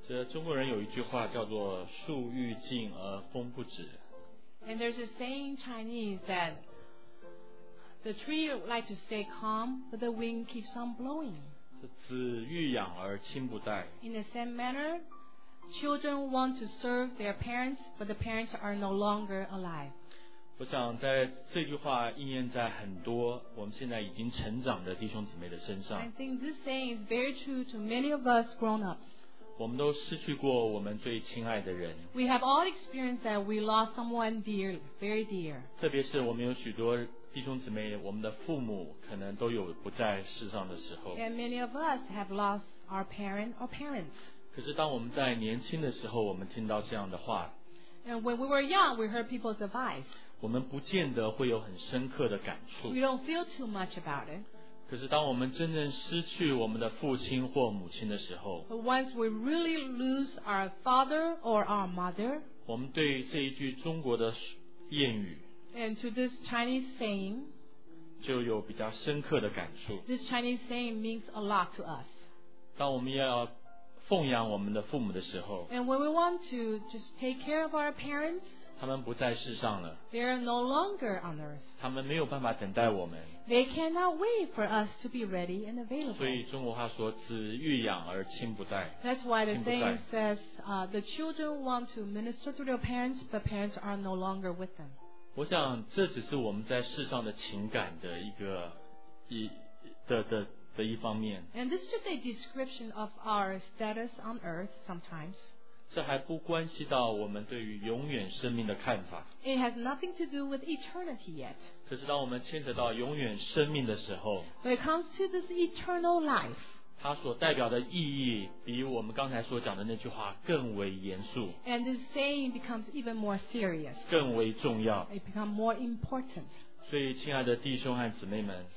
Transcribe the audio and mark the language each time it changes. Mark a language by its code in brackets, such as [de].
[zh] 中国人有一句话叫做树欲静而风不止。 [en] And there's a saying in Chinese that the tree likes to stay calm but the wind keeps on blowing. [zh] 子欲养而亲不待。 [en] In the same manner, children want to serve their parents but the parents are no longer alive. [zh] 我想在这句话应验在很多我们现在已经成长的弟兄姊妹的身上。 [en] I think this saying is very true to many of us grown-ups. [zh] 我们都失去过我们最亲爱的人。 [en] We have all experienced that we lost someone dear, very dear. [zh] 特别是我们有许多弟兄姊妹，我们的父母可能都有不在世上的时候。 [en] And many of us have lost our parent or parents. [zh] 可是当我们在年轻的时候，我们听到这样的话。 [en] And when we were young, we heard people's advice. [zh] 我们不见得会有很深刻的感触。 [en] We don't feel too much about it. [zh] 可是当我们真正失去我们的父亲或母亲的时候 [en] Once we really lose our father or our mother [zh] 我们对这一句中国的谚语 [en] And to this Chinese saying [zh] 就有比较深刻的感触 [en] This Chinese saying means a lot to us [zh] 当我们要奉养我们的父母的时候 [en] And when we want to just take care of our parents [zh] 他们不在世上了 [en] They are no longer on earth [zh] 他们没有办法等待我们 [en] They cannot wait for us to be ready and available. [zh] 所以中国话说子欲养而亲不待。 [en] That's why the saying says, the children want to minister to their parents, but parents are no longer with them. [zh] 我想这只是我们在世上的情感的一个一的的的一方面。 [en] And this is just a description of our status on earth sometimes. [zh] 这还不关系到我们对于永远生命的看法。 [en] It has nothing to do with eternity yet. [zh] 可是当我们牵扯到永远生命的时候 [en] When it comes to this eternal life, [zh] 它所代表的意义比我们刚才所讲的那句话更为严肃。 [en] And this saying becomes even more serious. [zh] 更为重要。 [en] It becomes more important. [zh] 所以亲爱的弟兄和姊妹们